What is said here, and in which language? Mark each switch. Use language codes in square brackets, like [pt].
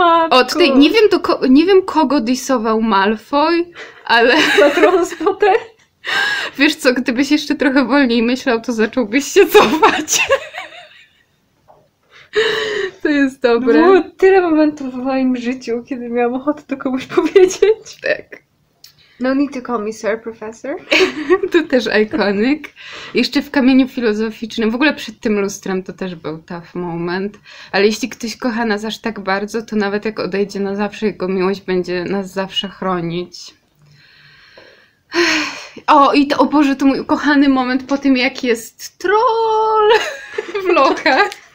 [pl] O tej, nie wiem kogo dysował Malfoy, ale... Patronus Potter? Wiesz co, gdybyś jeszcze trochę wolniej myślał, to zacząłbyś się cofać. To jest dobre. Było tyle momentów w moim życiu, kiedy miałam ochotę to komuś powiedzieć. Tak. [en] No need to call me sir, professor. [pl] To też iconic. Jeszcze w kamieniu filozoficznym, w ogóle przed tym lustrem to też był [en] tough moment. [pl] Ale jeśli ktoś kocha nas aż tak bardzo, to nawet jak odejdzie na zawsze, jego miłość będzie nas zawsze chronić. O, i to, o Boże, to mój ukochany moment po tym, jak jest troll w lokach.